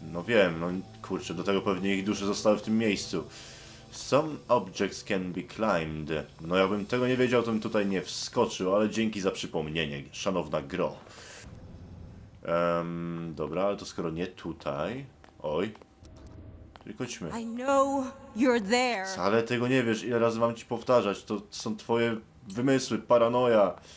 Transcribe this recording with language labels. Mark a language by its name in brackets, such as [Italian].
[Polish] wiem, no kurczę, do tego pewnie ich dusze zostały w tym miejscu. [English] Some objects can be climbed. [Polish] No jakbym tego nie wiedział, to bym tutaj nie wskoczył, ale dzięki za przypomnienie, szanowna gro. Dobra, ale to skoro nie tutaj... Oj. Tylko chodźmy. [English] I know you're there. [Polish] Wcale tego nie wiesz, ile razy mam ci powtarzać. To są twoje wymysły, paranoja.